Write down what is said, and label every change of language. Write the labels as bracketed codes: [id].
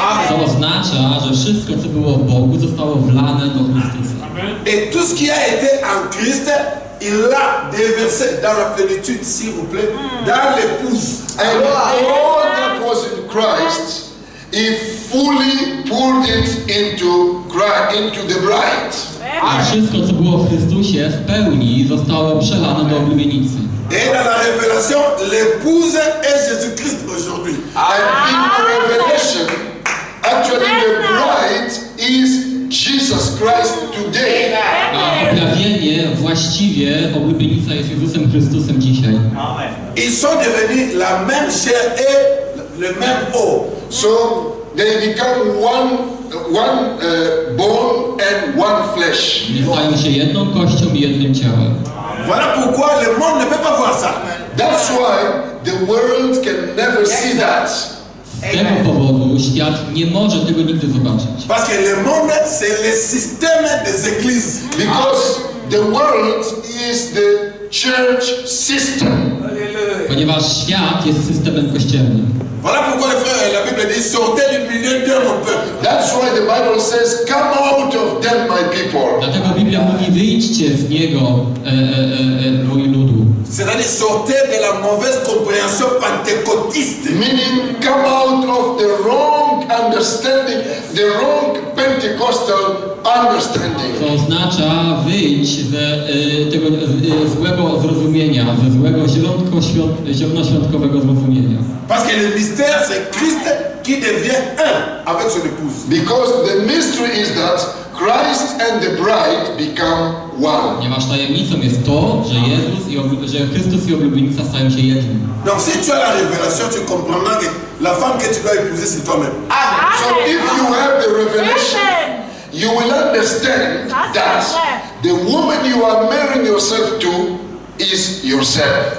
[pl] Amen. To oznacza, że wszystko, co było w Bogu, zostało wlane do Chrystusa. [fr] Et tout ce qui a été en Christ, il l'a déversé dans la plénitude, s'il vous plaît, dans l'épouse. [en] And all that was in Christ, he fully poured it into Christ, into the bride. [pl] A wszystko, co było w Chrystusie, w pełni zostało przelane do oblubienicy. [fr] Et dans la révélation, l'épouse est Jésus-Christ aujourd'hui. [en] And in the revelation, actually the bride is Jesus Christ today. [pl] A objawienie właściwie oblubienica jest Jezusem Chrystusem dzisiaj. Amen. [fr] Ils sont devenus la même chair et le même eau. [en] So they become one bone and one flesh. [pl] Oni stają się jedną kością i jednym ciałem. [fr] Voilà pourquoi le monde ne peut pas voir ça. [en] That's why the world can never see that. [pl] Z tego powodu świat nie może tego nigdy zobaczyć. [fr] Parce que le monde c'est le système des églises. [en] Because the world is the church system. [pl] Ponieważ świat jest systemem kościelnym. [fr] Voilà pourquoi le frère, la Bible dit sortez du milieu de mon peuple. [en] That's why the Bible says come out of them my people. [pl] Dlatego Biblia mówi wyjdźcie z niego mój ludu. [fr] C'est-à-dire sortez de la mauvaise compréhension pentecôtiste. [en] Meaning come out of the wrong understanding, the wrong pentecôtiste. Pentecostal understanding. [pl] To oznacza wyjść ze tego złego zrozumienia, ze złego ziemnoświątkowego zrozumienia. [fr] Parce que le mystère c'est Christ qui devient un avec son épouse. [en] Because the mystery is that Christ and the bride become one. [pl] Ponieważ tajemnicą jest to, że Jezus i że Chrystus i oblubienica stają się jednym. [fr] Donc si tu as la révélation, tu comprendras que la femme que tu dois épouser c'est toi-même. Amen. [en] So if you have the revelation, you will understand that the woman you are marrying yourself to is yourself.